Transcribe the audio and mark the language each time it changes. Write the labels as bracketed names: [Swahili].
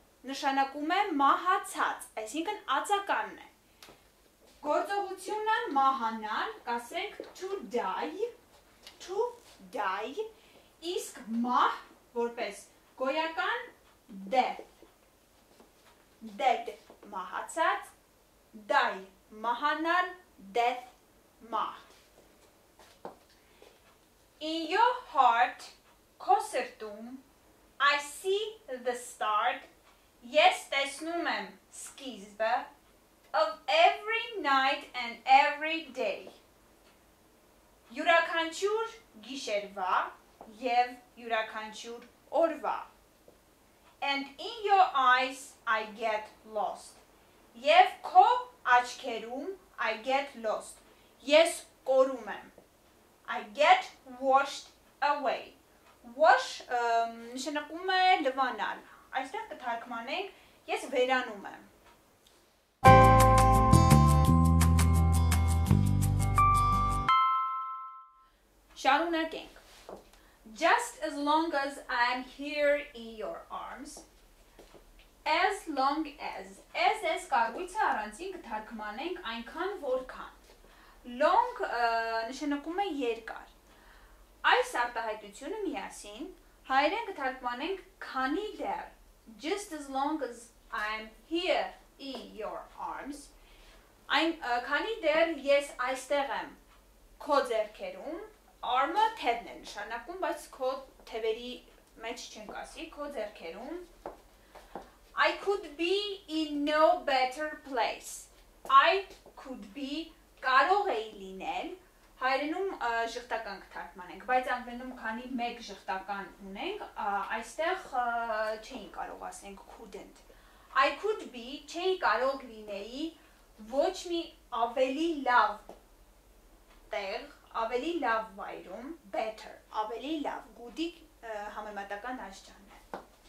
[Armenian] Նշանակում է մահացած, այսինքն ածականն է։ Գործողությունը մահանալ, կասենք [English] to die, to die, [Armenian] իսկ մահ որպես գոյական death, dead մահացած, die մահանալ, death մահ։ [English] In your heart, [Armenian] քո սրտում, [English] I see the start. [Armenian] Ես տեսնում եմ սկիզբը [English] of every night and every day. [Armenian] Յուրաքանչյուր գիշերվա եւ յուրաքանչյուր օրվա. [English] And in your eyes I get lost. [Armenian] Եվ քո աչքերում [English] I get lost. [Armenian] Ես կորում եմ. [English] I get washed away. [Armenian] Wash նշանակում է լվանալ։ Այստեղ կթարգմանենք ես վերանում եմ։ Շարունակենք։ [English] Just as long as I am here in your arms. [Armenian] As long as ես կարգույցը առանցին կթարգմանենք այնքան որքան։ Long նշանակում է երկար։ Այս արտահայտությունը միասին հայերեն կթարգմանենք քանի դեռ։ [English] Just as long as I'm here in your arms. [Armenian] I'm քանի դեռ ես այստեղ եմ քո ձեռքերում, arm-ը թևն է նշանակում, բայց քո թևերի մեջ չենք ասի, քո ձեռքերում. [English] I could be in no better place. I could be [Armenian] կարող էի լինել, հայերենում ժխտական կթարգմանենք, բայց անգլերենում քանի մեկ ժխտական ունենք, այստեղ չէին կարող ասենք couldn't. [English] I could be, [Armenian] չէի կարող լինեի ոչ մի ավելի լավ տեղ, ավելի լավ վայրում, better, ավելի լավ, good-ի համեմատական աշճան է.